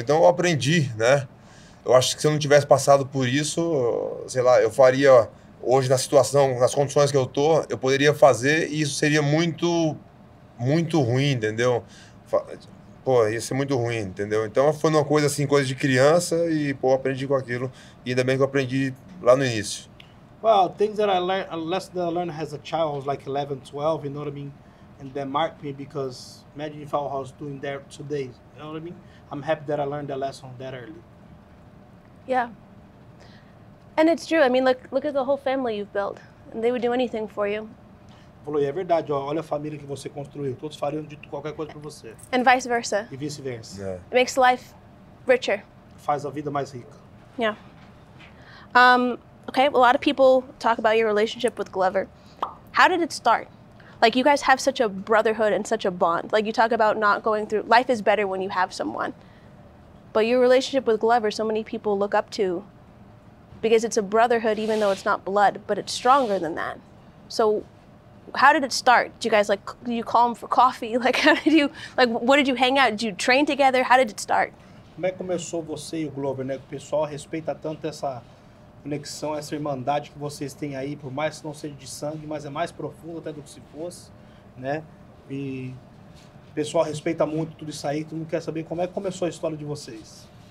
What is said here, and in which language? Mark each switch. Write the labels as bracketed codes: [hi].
[pt] Então eu aprendi, né? Eu acho que se eu não tivesse passado por isso, sei lá, eu faria hoje na situação, nas condições que eu tô, eu poderia fazer e isso seria muito, muito ruim, entendeu? Pô, ia ser muito ruim, entendeu? Então foi uma coisa assim, coisa de criança e, pô, aprendi com aquilo. E ainda bem que eu aprendi lá no início. [en] Well, things that I learned, lessons that I learned as a child, I was like 11, 12, you know what I mean? And that marked me because imagine if I was doing that today, you know what I mean? I'm happy that I learned that lesson that early. Yeah. And it's true. I mean, look at the whole family you've built. And they would do anything for you. [pt] Falou, e é verdade, ó, olha a família que você construiu. Todos fariam de qualquer coisa para você. [en] And vice versa. [pt] E vice-versa. [en] Yeah. It makes life richer. [pt] Faz a vida mais rica. [en] Yeah. Okay, a lot of people talk about your relationship with Glover. How did it start? Like, you guys have such a brotherhood and such a bond. Like, you talk about not going through... Life is better when you have someone. But your relationship with Glover, so many people look up to. Because it's a brotherhood, even though it's not blood. But it's stronger than that. So... How did it start? Do you guys like, do you call him for coffee? Like, how did you, like, what did you hang out? Did you train together? How did it start? [pt] Como é que começou você e o Glover, né? O pessoal respeita tanto essa conexão, essa irmandade que vocês têm aí, por mais que não seja de sangue, mas é mais profundo até do que se fosse, né? E o pessoal respeita muito tudo isso aí, todo mundo quer saber como é que começou a história de vocês.